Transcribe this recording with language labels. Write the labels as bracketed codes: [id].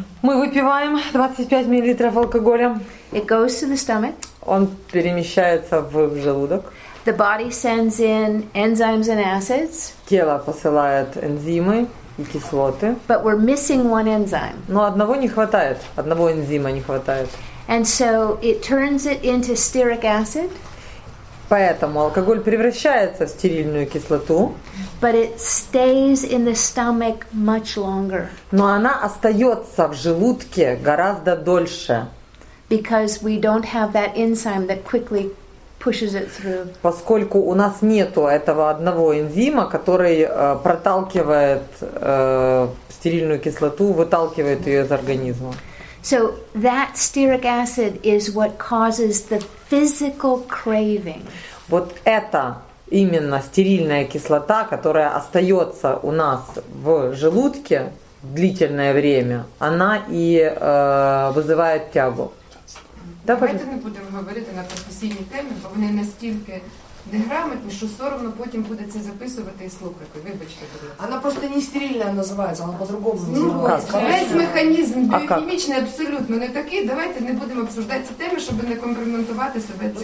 [ru] Мы выпиваем 25 миллилитров алкоголя. [en] It goes to the stomach. [ru] Он перемещается в желудок. [en] The body sends in enzymes and acids. [ru] Тело посылает энзимы и кислоты. [en] But we're missing one enzyme. [ru] Но одного не хватает, одного энзима не хватает. [en] And so it turns it into stearic acid. [ru] Поэтому алкоголь превращается в стерильную кислоту. [en] But it stays in the stomach much longer. [ru] Но она остается в желудке гораздо дольше. [en] Because we don't have that enzyme that quickly pushes it through. [ru] Поскольку у нас нету этого одного энзима, который проталкивает стерильную кислоту, выталкивает ее из организма. [en] So that stearic acid is what causes the physical craving. [ru] Вот это именно стерильная кислота, которая остается у нас в желудке длительное время, она и вызывает тягу. [uk] Да, давайте не будемо говорити на професійній темі, бо вони настільки неграмотні, що соромно потім буде це записувати і слухати. Вибачте, будь ласка. Вона просто не стерильна називається, вона по-другому називається. Ну, весь механізм біохімічний абсолютно не такий. Давайте не будемо обсуждати ці теми, щоб не компрометувати себе цим.